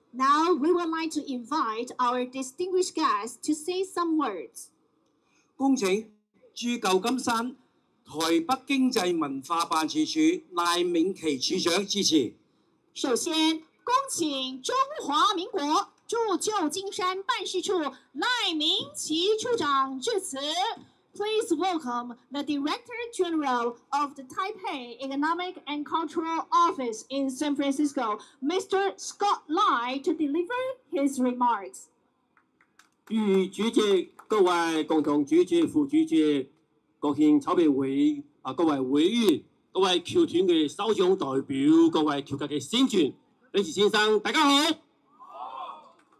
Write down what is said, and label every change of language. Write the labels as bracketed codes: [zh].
[en] Now we would like to invite our distinguished guests to say some words. [zh] 恭请驻旧金山台北经济文化办事处赖敏琪处长致辞。首先，恭请中华民国驻旧金山办事处赖敏琪处长致辞。 [en] Please welcome the Director General of the Taipei Economic and Cultural Office in San Francisco, Mr. Scott Lai, to deliver his remarks. [zh] 与主席、各位共同主席、副主席、国庆筹备会啊，各位委员、各位侨团的首长代表、各位侨界的先进，李奇先生，大家好。